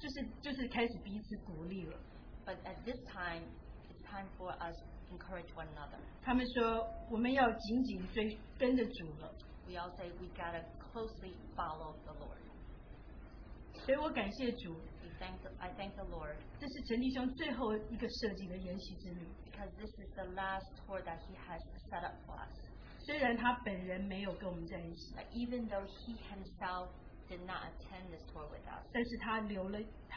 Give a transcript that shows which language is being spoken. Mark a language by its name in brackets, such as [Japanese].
[Chinese] 但是呢，大家现在就说，就是开始彼此鼓励了。 [English] But at this time, it's time for us to encourage one another. [Chinese] 他们说，我们要紧紧追跟着主了。 [English] We all say we gotta closely follow the Lord. [Chinese] 所以我感谢主。 [English] I thank the Lord. [Chinese] 这是陈弟兄最后一个设计的研习之旅。 [English] Because this is the last tour that he has set up for us. [Chinese] 虽然他本人没有跟我们在一起。 [English] But even though he himself did not attend this tour with us.